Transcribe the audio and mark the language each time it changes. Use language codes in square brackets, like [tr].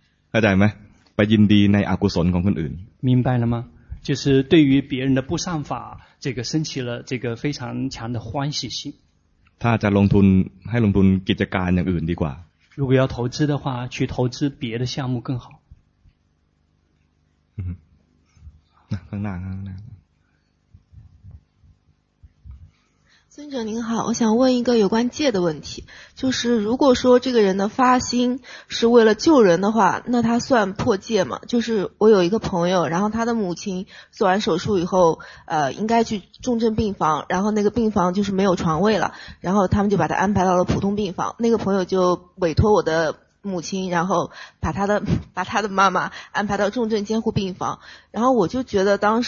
[th] เข้าใจไหมไปยินดีในอกุศลของคนอื่น [zh] 明白了吗就是对于别人的不善法这个升起了这个非常强的欢喜心他 [th] จะลงทุนให้ลงทุนกิจการอย่างอื่นดีกว่า [zh] 如果要投资的话去投资别的项目更好 [th] ข้างหน้าข้างหน้า [zh] 尊者您好我想问一个有关戒的问题就是如果说这个人的发心是为了救人的话那他算破戒吗就是我有一个朋友然后他的母亲做完手术以后应该去重症病房然后那个病房就是没有床位了然后他们就把他安排到了普通病房那个朋友就委托我的母亲然后把他的妈妈安排到重症监护病房然后我就觉得